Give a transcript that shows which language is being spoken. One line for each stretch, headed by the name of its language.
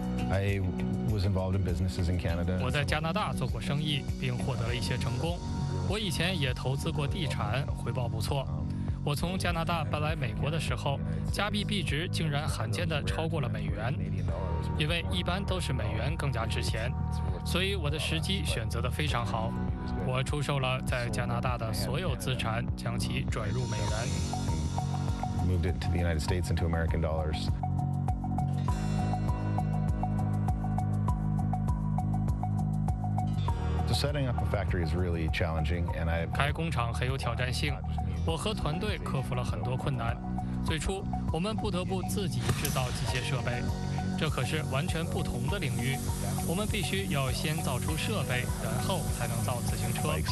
English: I was involved in businesses in Canada.
Chinese: 我在加拿大做过生意，并获得了一些成功。我以前也投资过地产，回报不错。我从加拿大搬来美国的时候，加币币值竟然罕见地超过了美元，因为一般都是美元更加值钱，所以我的时机选择得非常好。我出售了在加拿大的所有资产，将其转入美元。
English: Moved it to the United States into American dollars. Setting up a factory is really challenging, and I.
Chinese: 开工厂很有挑战性，我和团队克服了很多困难。最初，我们不得不自己制造机械设备，这可是完全不同的领域。我们必须要先造出设备，然后才能造自行车。